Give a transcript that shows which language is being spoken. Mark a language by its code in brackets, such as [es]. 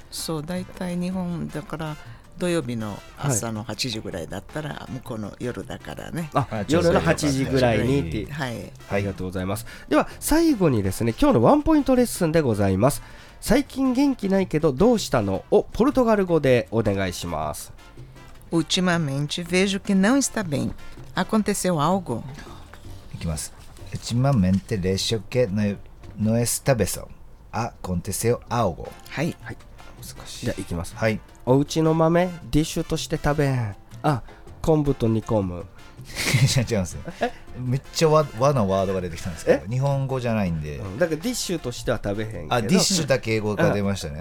[ja] そう、だいたい日本だから土曜日の朝の8時ぐらいだったら、はい、向こうの夜だからね。あ、夜の8時ぐらいにって、はい、ありがとうございます。では最後にですね、今日のワンポイントレッスンでございます。最近元気ないけどどうしたのをポルトガル語でお願いします。 [pt] Ultimamente vejo que não está bem. Aconteceu algo? [ja] いきます。 [pt] Ultimamente vejo que não está bem. Aconteceu algo? [ja] はい、はい、難しい。じゃあいきます。はい、おうちの豆ディッシュとして食べん、あ、昆布と煮込む。違いますね。めっちゃ和のワードが出てきたんですけど、日本語じゃないんで、うん、だからディッシュとしては食べへんけど、あ、ディッシュだけ英語が出ましたね、